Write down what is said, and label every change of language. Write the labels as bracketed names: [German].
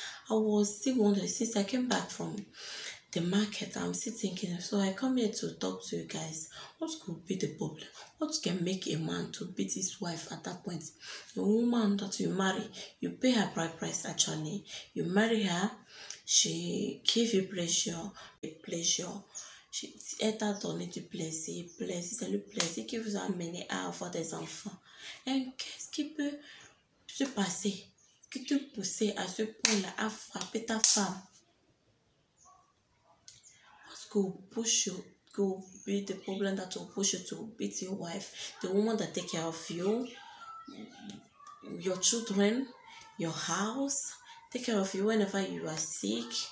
[English] I was still wondering since I came back from the market. I'm still thinking, so I come here to talk to you guys. What could be the problem? What can make a man to beat his wife at that point? The woman that you marry, you pay her bride price, actually. You marry her, she give you pleasure. [French] She est à donner du plaisir, c'est le plaisir qui vous a amené à avoir des enfants. Et qu'est-ce qui peut se passer qui te pousse à ce point-là à frapper ta femme? [English] What could push you, could be the problem that will push you to beat your wife, the woman that take care of you, your children, your house, take care of you whenever you are sick?